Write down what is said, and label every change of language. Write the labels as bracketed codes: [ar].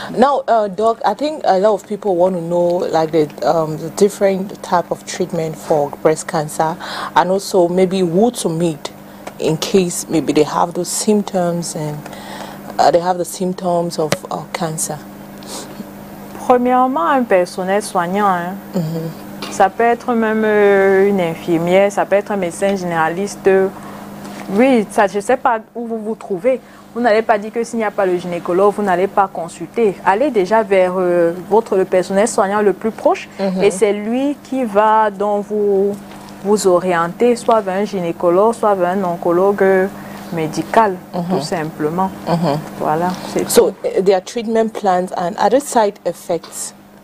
[en] Now, Doc, I think a lot of people want to know like the different type of treatment for breast cancer and also maybe who to meet in case maybe they have those symptoms and they have the symptoms of cancer. [fr] Premièrement, un personnel soignant. Hein. Ça peut être même une infirmière, ça peut être un médecin généraliste. Oui, ça, je ne sais pas où vous vous trouvez. Vous n'allez pas dire que s'il n'y a pas le gynécologue, vous n'allez pas consulter. Allez déjà vers le personnel soignant le plus proche. Et c'est lui qui va donc vous orienter, soit vers un gynécologue, soit vers un oncologue. Médical, tout simplement. Voilà, c'est [en] so, their treatment plans and other side effects.